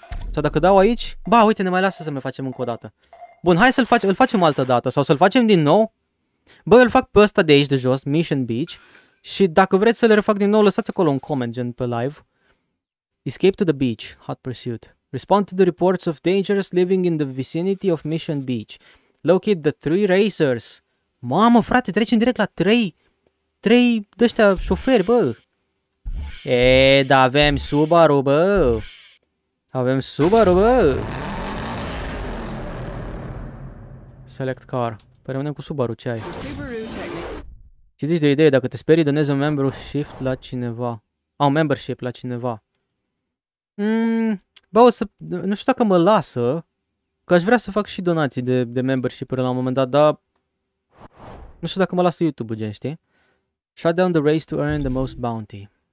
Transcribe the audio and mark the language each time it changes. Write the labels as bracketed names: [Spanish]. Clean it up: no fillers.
[Romanian] Sau dacă dau aici... Ba, uite, ne mai lasă să ne facem încă o dată. Bun, hai să-l facem... Îl facem altă dată. Sau să-l facem din nou. Bă, îl fac pe ăsta de aici, de jos. Mission Beach. Și dacă vreți să le refac din nou, lăsați acolo un comment, gen pe live. [English] Escape to the beach. Hot pursuit. Respond to the reports of dangerous living in the vicinity of Mission Beach. Locate the three racers. [Romanian] Mamă, frate, trecem direct la trei... Trei d-ăștia șoferi, bă. E, da, avem Subaru, bă. Avem Subaru, bă. [English] Select car. [Romanian] Păi rămânem cu Subaru, ce ai? Ce zici de idee? Dacă te sperii, donezi un membership la cineva. Au, membership la cineva. Bă, o să... Nu știu dacă mă lasă. Că aș vrea să fac și donații de membership-uri la un moment dat, dar... Nu știu dacă mă lasă YouTube-ul, gen, știi? [English] Shut down the race to earn the most bounty.